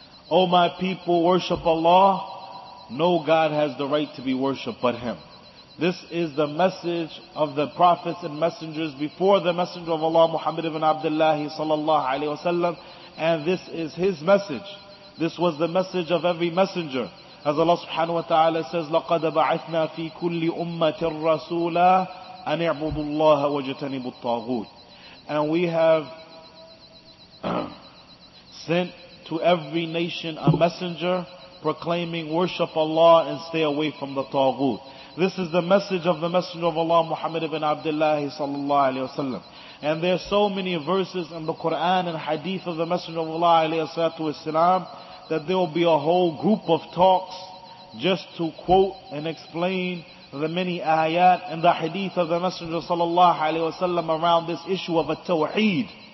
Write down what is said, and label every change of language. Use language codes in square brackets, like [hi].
[en] O my people, worship Allah, no God has the right to be worshipped but Him. This is the message of the prophets and messengers before the Messenger of Allah, Muhammad ibn Abdullah sallallahu alayhi wa sallam, and this is his message. This was the message of every messenger. As Allah subhanahu wa ta'ala says, [ar] لَقَدَ بَعَثْنَا فِي كُلِّ أُمَّةٍ رَسُولًا أَنْ اِعْبُدُ اللَّهَ وَجَتَنِبُ الطَّاغُوتِ. [en] And we have sent to every nation a messenger proclaiming, worship Allah and stay away from the taghut. This is the message of the Messenger of Allah, Muhammad ibn Abdullah sallallahu alayhi wa sallam. And there are so many verses in the Quran and hadith of the Messenger of Allah alayhi salatu wasalam, that there will be a whole group of talks just to quote and explain the many ayat and the hadith of the Messenger sallallahu alayhi wasallam around this issue of a tawheed.